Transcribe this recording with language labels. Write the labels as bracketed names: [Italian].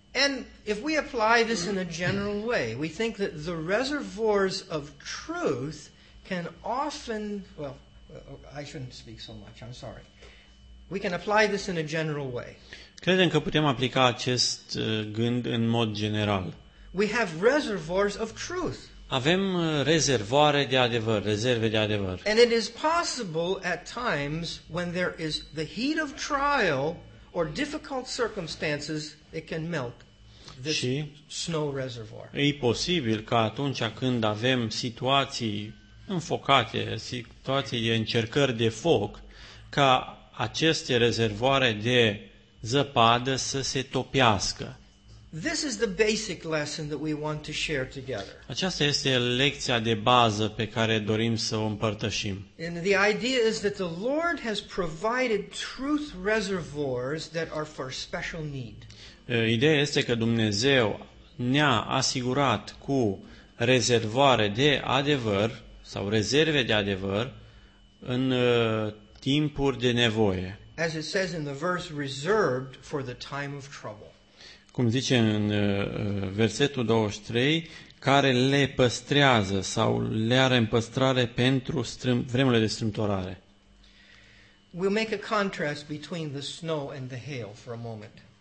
[English] And if we apply this in a general way, we think that the reservoirs of truth can often, well, I shouldn't speak so much, I'm sorry. We can apply this in a general way. [Romanian] Credem că putem aplica acest gând în mod general. [English] We have reservoirs of truth. [Romanian] Avem rezervoare de adevăr, rezerve de adevăr. [English] And it is possible at times when there is the heat of trial or difficult circumstances, it can melt this [Romanian] și [English] snow reservoir. [Romanian] E posibil că atunci când avem situații înfocate, situații de încercări de foc, ca aceste rezervoare de zăpadă să se topească. [English] This is the basic lesson that we want to share together. [Romanian] Aceasta este lecția de bază pe care dorim să o împărtășim. [English] And the idea is that the Lord has provided truth reservoirs that are for special need. [Romanian] Ideea este că Dumnezeu ne-a asigurat cu rezervoare de adevăr sau rezerve de adevăr în timpuri de nevoie. [English] As it says in the verse, reserved for the time of trouble. [Romanian] Cum zice în versetul 23, care le păstrează sau le are în păstrare pentru vremurile de strâmtorare. [English] We'll make a contrast between the snow and the hail for a moment.